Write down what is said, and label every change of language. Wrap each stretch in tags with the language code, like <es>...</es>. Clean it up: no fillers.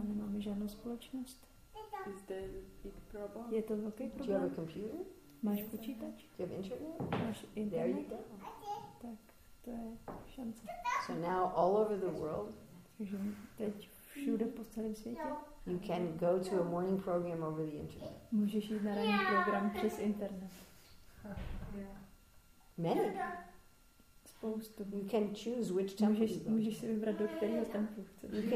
<cs>A nemáme žádnou společnost.</cs> <en>Is that a big problem?</en> <cs>Je to velký problém.</cs> <en>Do you have a computer?</en> <cs>Máš počítač?</cs> <en>Do you have internet?</en> <cs>Máš internet?</cs> <en>There you go.</en> <cs>Tak. To je šance.</cs> <en>So now all over the world,</en> <cs>teď všude po celém světě,</cs> <en>you can go to a morning program over the internet.</en> <cs>Můžeš jít na ranní program přes internet.</cs> <en>Many.</en> <cs>Spoustu.</cs> <en>You can choose which temple.</en> <cs>Můžeš si vybrat, do kterého templu chceš.</cs>